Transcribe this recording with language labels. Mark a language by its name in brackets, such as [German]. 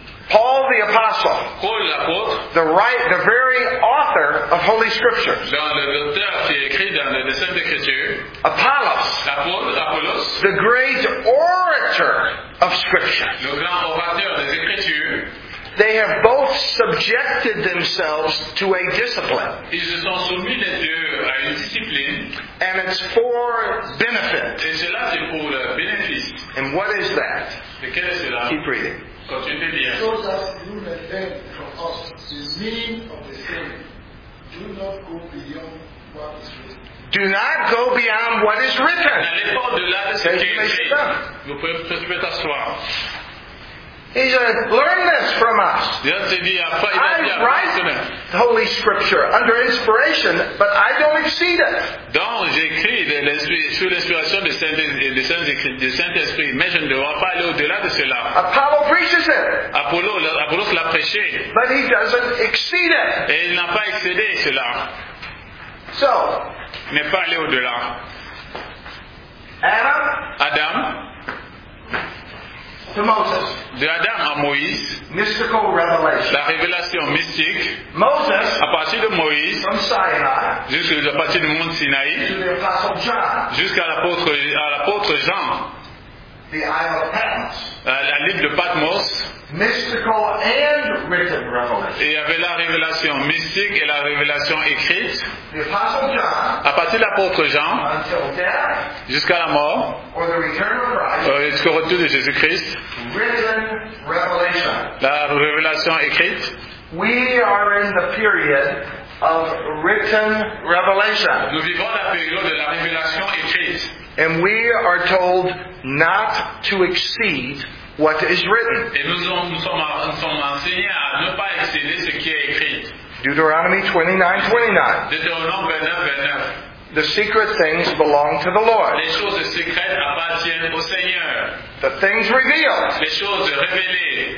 [English] Paul the Apostle, the very author of Holy Scripture, Apollos, the great orator of Scripture, they have both subjected themselves to a discipline. [French] Ils se sont soumis les deux à une discipline. [English] And it's for benefit. [French] Et cela, c'est pour le bénéfice. [English] And what is that? [French] Et quel est cela? [English] Keep reading. [French] Continue bien. [English] So that you may learn from us the meaning of the saying, do not go beyond what is written. Do not go beyond what is written. [French] N'allez pas au-delà de ce qui est écrit. Vous pouvez vous asseoir. [English] He said, learn this from us. I write the Holy Scripture under inspiration, but I don't exceed it. [French] Donc, j'écris sous l'inspiration de Saint-Esprit, mais je ne devrais pas aller au-delà de cela. [English] Apollo preaches it. [French] Apollos l'a prêché. [English] But he doesn't exceed it. [French] Et il n'a pas excédé cela. [English] So, [French] ne pas aller au-delà. [English] Adam. To Moses. [French] De Adam à Moïse. [English] Mystical revelation. [French] La révélation mystique. [English] Moses. [French] À partir de Moïse. [English] From Sinai. [French] Jusqu'à partir du mont Sinaï. [English] To the apostle John. [French] Jusqu'à l'apôtre Jean. [English] The Isle of Patmos. [French] La ligne de Patmos. [English] Mystical and written revelation. [French] Et il y avait la révélation mystique et la révélation écrite. [English] The apostle John. [French] À partir de l'apôtre Jean. [English] Until death. [French] Jusqu'à la mort. [English] Or the return of Christ. [French] Jusqu'au retour de Jésus-Christ. [English] Written revelation. [French] La révélation écrite. [English] We are in the period of written revelation. [French] Nous vivons la période de la révélation écrite. [English] And we are told not to exceed what is written. [French] Et nous sommes enseignés à ne pas excéder ce qui est écrit. [English] Deuteronomy 29:29. [French] Deutéronome 29:29. [English] The secret things belong to the Lord. [French] Les choses secrètes appartiennent au Seigneur. [English] The things revealed. [French] Les choses révélées.